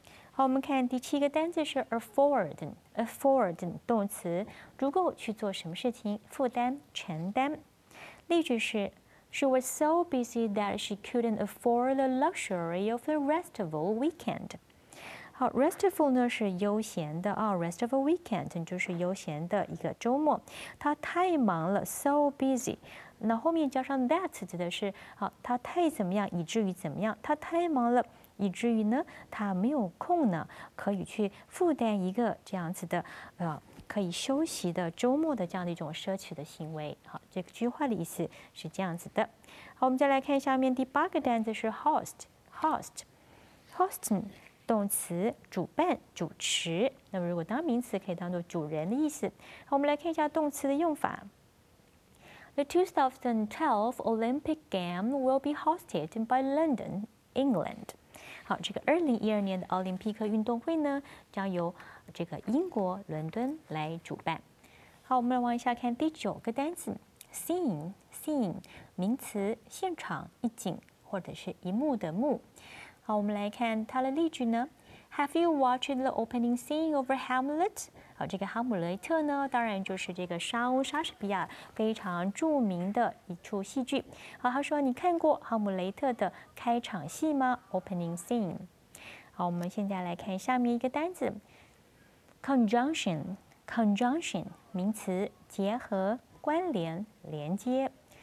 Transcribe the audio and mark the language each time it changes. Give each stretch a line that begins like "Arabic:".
Chinese: 好，我们看第七个单词是 afford， 动词，足够去做什么事情，负担、承担。
English: 例句是 She was so busy that she couldn't afford the luxury of the restful weekend.
Chinese: 好 ，restful 呢是悠闲的啊 ，
English: restful weekend
Chinese: 就是悠闲的一个周末。他太忙了 ，
English: so busy。
Chinese: 那后面加上 that 指的是好，他太怎么样，以至于怎么样，他太忙了，以至于呢，他没有空呢，可以去负担一个这样子的可以休息的周末的这样的一种奢侈的行为。好，这个句话的意思是这样子的。好，我们再来看下面第八个单词是 host。动词主办、主持，那么如果当名词可以当作主人的意思。好，我们来看一下动词的用法。
English: The 2012 Olympic Games will be hosted by London, England.
Chinese: 好，这个2012年的奥林匹克运动会呢，将由这个英国伦敦来主办。好，我们往下看第九个单词 scene 名词，现场、一景或者是一幕的幕。好，我们来看它的例句呢。
English: Have you watched the opening scene of Hamlet?
Chinese: 好，这个哈姆雷特呢，当然就是这个莎士比亚非常著名的一出戏剧。好，他说你看过哈姆雷特的开场戏吗 ？
English: Opening scene。
Chinese: 好，我们现在来看下面一个单字 ，conjunction， 名词，结合、关联、连接。